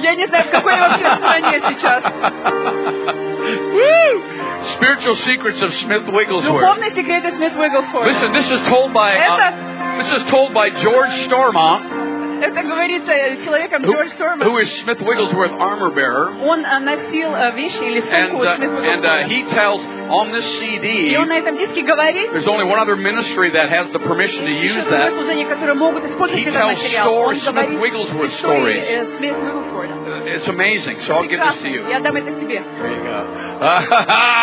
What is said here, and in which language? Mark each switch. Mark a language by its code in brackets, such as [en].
[ru] Я не знаю, в какой вообще стране сейчас. [en] Woo! Spiritual secrets of Smith Wigglesworth. [ru] Духовные секреты Смит Уигглсворт. [en] Listen, this is told by this is told by George Stormont. [ru] Это говорится человеком Джордж Стормонт. [en] Who is Smith Wigglesworth armor bearer? [ru] Он носил вещи или сумку Смит Уигглсворт. [en] And he tells. On this CD, there's only one other ministry that has the permission to use that. He tells stories, Smith Wigglesworth stories. It's amazing, so I'll give this to you. There you go.